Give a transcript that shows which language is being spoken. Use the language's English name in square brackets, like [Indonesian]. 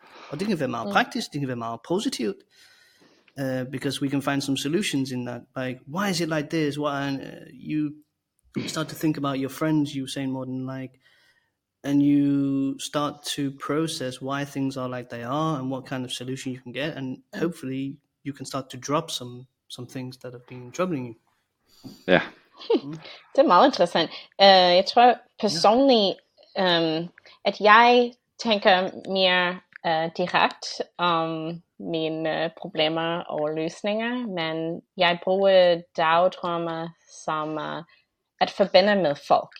[Danish] Og det kan være meget praktisk, det kan være meget positivt. [English] Because we can find some solutions in that. Like, why is it like this? Why you start to think about your friends, you saying more than like, and you start to process why things are like they are and what kind of solution you can get. And hopefully you can start to drop some things that have been troubling you. Yeah. [Danish] Det er meget interessant. Jeg tror personligt, at jeg tænker mere direkt om mine problemer og løsninger, men jeg bruger dagdrømme som at forbinde med folk.